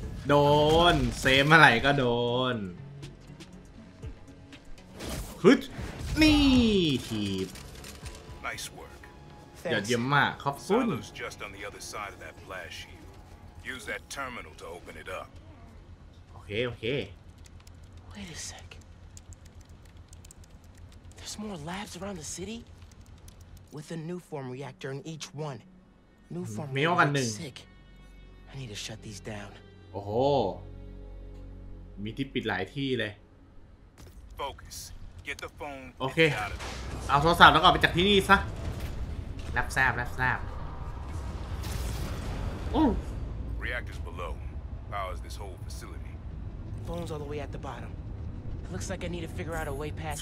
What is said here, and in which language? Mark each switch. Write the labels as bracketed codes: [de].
[th] โดนเซฟเมื่อไหร่ก็โดนฮึดนี่ทีบยอดเยี่ยมมากขอบคุณ [en] Silo's just on the other side of that blast shield use that terminal to open it up [th] โอเคโอเค [en] wait a sec there's more labs around the city with a new form reactor in each one [th] new form มีอันหนึ่ง sick [en] I need to shut these down [th] โอ้โหมีที่ปิดหลายที่เลย [en] Focus. Get the phone. [th] โอเคเอาโทรศัพท์แล้วก็ไปจากที่นี่ซะรับทราบรับทราบโอ้ [en] Reactors below powers this whole facility. Phones all the way at the bottom. Looks like I need to figure out a way past.